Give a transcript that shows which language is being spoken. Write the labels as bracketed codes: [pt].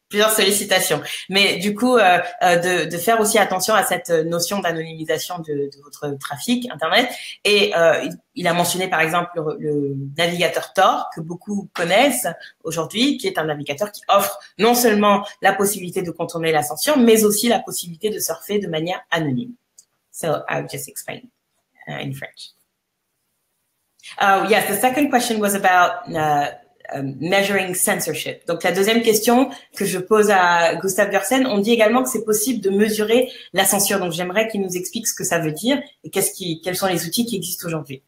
[fr] plusieurs sollicitations, mais du coup de faire aussi attention à cette notion d'anonymisation de votre trafic internet. Et il a mentionné par exemple le navigateur Tor, que beaucoup connaissent aujourd'hui, qui est un navigateur qui offre non seulement la possibilité de contourner la censure, mais aussi la possibilité de surfer de manière anonyme. [en] So I'll just explain in French. Yes, the second question was about measuring censorship. [fr] Donc la deuxième question que je pose à Gustav Gersen, on dit également que c'est possible de mesurer la censure. Donc j'aimerais qu'il nous explique ce que ça veut dire et quels sont les outils qui existent aujourd'hui.